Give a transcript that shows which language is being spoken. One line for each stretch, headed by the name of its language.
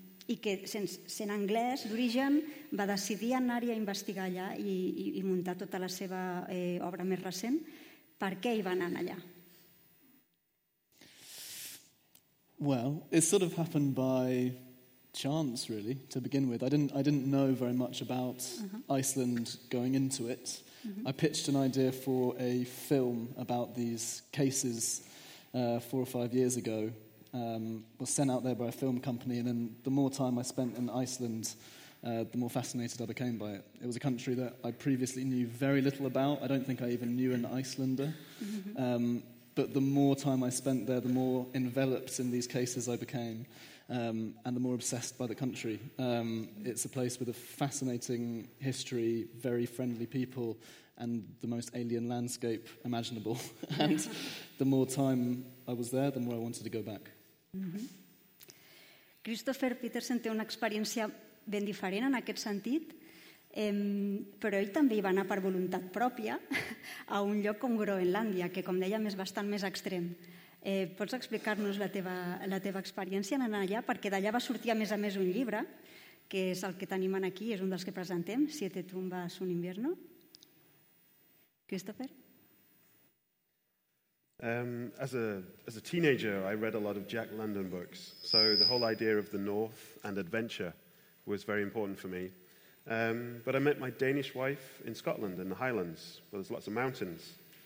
Catalan: I que, sent anglès d'origen, va decidir anar-hi a investigar allà i muntar tota la seva obra més recent. Per què hi va anar allà?
English: Well, it sort of happened by chance, really, to begin with. I didn't know very much about Iceland going into it. I pitched an idea for a film about these cases 4 or 5 years ago. Was sent out there by a film company, and then the more time I spent in Iceland, the more fascinated I became by it. It was a country that I previously knew very little about. I don't think I even knew an Icelander. But the more time I spent there, the more enveloped in these cases I became, and the more obsessed by the country. It's a place with a fascinating history, very friendly people, and the most alien landscape imaginable. And the more time I was there, the more I wanted to go back.
Catalan: Christoffer Petersen té una experiència ben diferent en aquest sentit, però ell també hi va anar per voluntat pròpia a un lloc com Groenlàndia, que com dèiem és bastant més extrem. Pots explicar-nos la teva experiència en anar allà? Perquè d'allà va sortir, a més, un llibre, que és el que tenim aquí, és un dels que presentem, Siete tumbas, un invierno. Christopher?
English: As a teenager, I read a lot of Jack London books. So the whole idea of the North and adventure was very important for me. But I met my Danish wife in Scotland, in the Highlands, where there's lots of mountains.